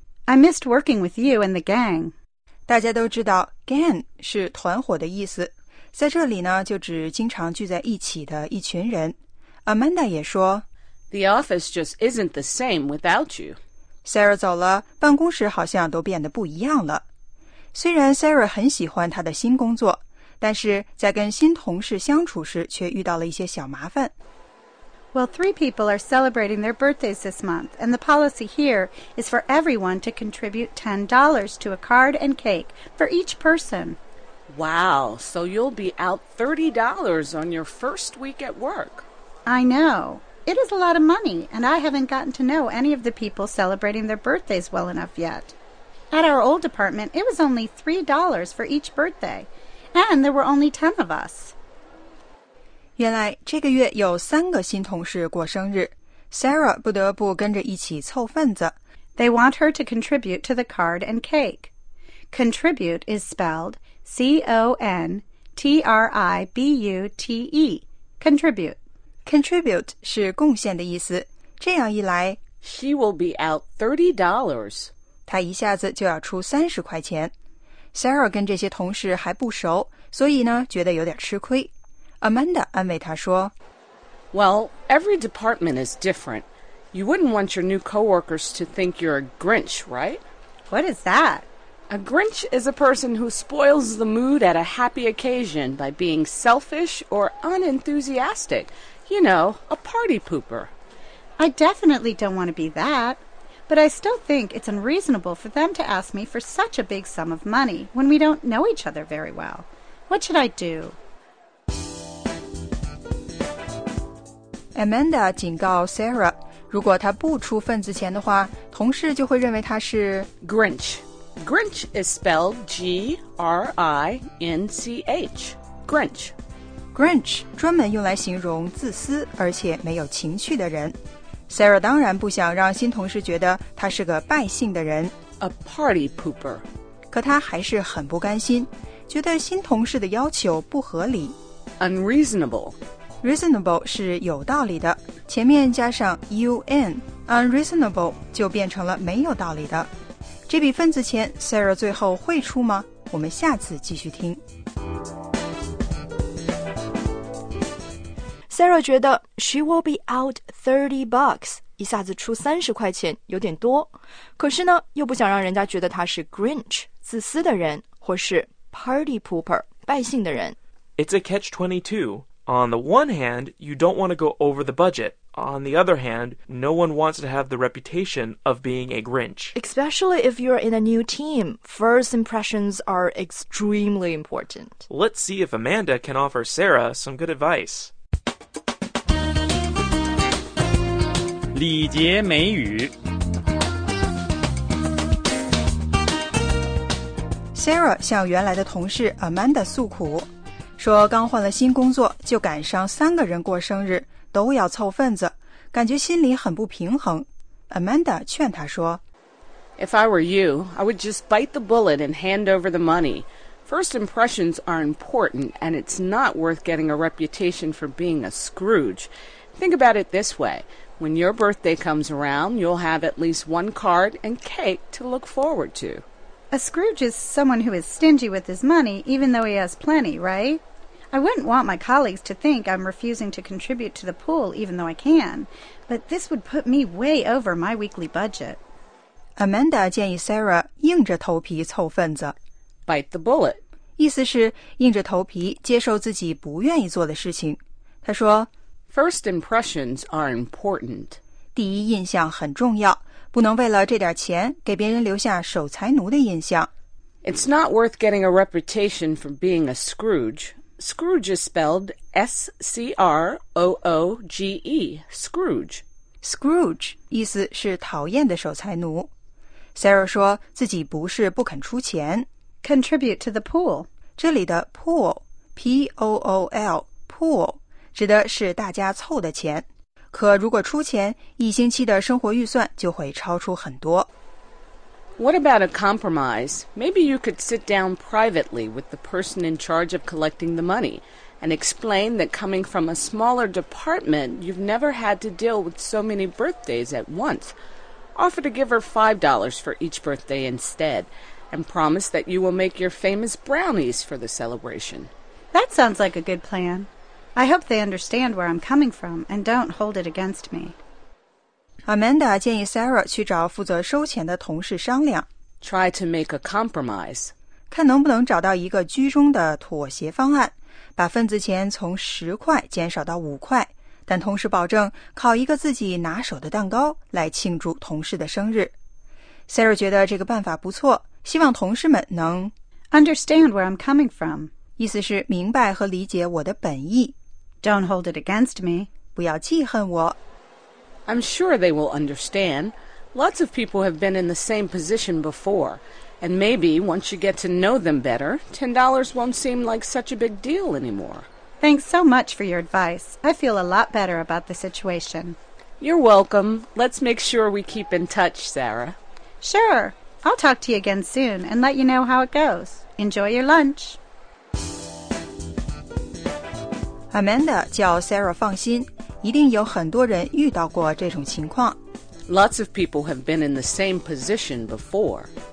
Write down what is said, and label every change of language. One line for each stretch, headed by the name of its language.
English: I missed working with you and the gang.
Chinese: 大家都知道 gang 是团伙的意思，在这里呢就指经常聚在一起的一群人。 Amanda 也说
English: The office just isn't the same without you.
Chinese: Sarah 走了，办公室好像都变得不一样了。虽然 Sarah 很喜欢她的新工作，但是在跟新同事相处时却遇到了一些小麻烦。
English: Well, three people are celebrating their birthdays this month, and the policy here is for everyone to contribute $10 to a card and cake for each person. Wow, so you'll be out $30 on your first week at work. I know. It is a lot of money, and I haven't gotten to know any of the people celebrating their birthdays well enough yet. At our old department, it was only $3 for each birthday, and there were only 10 of us.
Chinese: 原来这个月有三个新同事过生日， Sarah 不得不跟着一起凑份子。
English: They want her to contribute to the card and cake. Contribute is spelled C-O-N-T-R-I-B-U-T-E. Contribute.
Chinese: Contribute 是贡献的意思。这样一来，
English: She will be out $30.
Chinese: 她一下子就要出30块钱。 Sarah 跟这些同事还不熟，所以呢，觉得有点吃亏。 Amanda 安慰她说
English: Well, every department is different. You wouldn't want your new coworkers to think you're a Grinch, right? What is that? A Grinch is a person who spoils the mood at a happy occasion by being selfish or unenthusiastic. You know, a party pooper. I definitely don't want to be that. But I still think it's unreasonable for them to ask me for such a big sum of money when we don't know each other very well. What should I do?
Chinese: Amanda 警告 Sarah， 如果她不出份子钱的话，同事就会认为她是
English: Grinch。 Grinch is spelled G-R-I-N-C-H. Grinch.
Chinese: Grinch 专门用来形容自私而且没有情趣的人。 Sarah 当然不想让新同事觉得她是个败兴的人。
English: A party pooper.
Chinese: 可她还是很不甘心，觉得新同事的要求不合理。
English: Unreasonable.
Chinese: Reasonable 是有道理的，前面加上 un， unreasonable 就变成了没有道理的。这笔份子钱 Sarah 最后会出吗？我们下次继续听。 Sarah 觉得
English: she will be out 30 bucks，
Chinese: 一下子出30块钱有点多，可是呢又不想让人家觉得她是 Grinch 自私的人，或是
English: party pooper
Chinese: 败兴的人。
English: It's a catch 22. On the one hand, you don't want to go over the budget. On the other hand, no one wants to have the reputation of being a Grinch. Especially if you're in a new team, first impressions are extremely important. Let's see if Amanda can offer Sarah some good advice.
Chinese: 礼节美语。 Sarah 向原来的同事 Amanda 诉苦，说刚换了新工作就赶上三个人过生日，都要凑份子，感觉心里很不平衡。 Amanda 劝她说，
English: If I were you, I would just bite the bullet and hand over the money. First impressions are important, and it's not worth getting a reputation for being a Scrooge. Think about it this way. When your birthday comes around, you'll have at least one card and cake to look forward to. A Scrooge is someone who is stingy with his money, even though he has plenty, right? I wouldn't want my colleagues to think I'm refusing to contribute to the pool, even though I can. But this would put me way over my weekly budget.
Chinese: Amanda 建议 Sarah 硬着头皮凑份子。
English: Bite the bullet.
Chinese: 意思是硬着头皮接受自己不愿意做的事情。她说，
English: First impressions are important.
Chinese: 第一印象很重要。不能为了这点钱给别人留下守财奴的印象。
English: It's not worth getting a reputation for being a Scrooge. Scrooge is spelled S-C-R-O-O-G-E, Scrooge.
Chinese: Scrooge 意思是讨厌的守财奴。Sarah 说自己不是不肯出钱。
English: Contribute to the pool.
Chinese: 这里的 pool, P-O-O-L, pool, 指的是大家凑的钱。可如果出钱，一星期的生活预算就会超出很多。
English: What about a compromise? Maybe you could sit down privately with the person in charge of collecting the money and explain that coming from a smaller department, you've never had to deal with so many birthdays at once. Offer to give her $5 for each birthday instead and promise that you will make your famous brownies for the celebration. That sounds like a good plan. I hope they understand where I'm coming from and don't hold it against me.
Chinese: Amanda 建议 Sarah 去找负责收钱的同事商量。
English: Try to make a compromise.
Chinese: 看能不能找到一个居中的妥协方案，把份子钱从十块减少到五块，但同时保证烤一个自己拿手的蛋糕来庆祝同事的生日。 Sarah 觉得这个办法不错，希望同事们能
English: Understand where I'm coming from.
Chinese: 意思是明白和理解我的本意。
English: Don't hold it against me.
Chinese: 不要记恨我。
English: I'm sure they will understand. Lots of people have been in the same position before. And maybe once you get to know them better, $10 won't seem like such a big deal anymore. Thanks so much for your advice. I feel a lot better about the situation. You're welcome. Let's make sure we keep in touch, Sarah. Sure. I'll talk to you again soon and let you know how it goes. Enjoy your lunch.
Chinese: Amanda 叫 Sarah 放心，一定有很多人遇到过这种情况。
English: Lots of people have been in the same position before.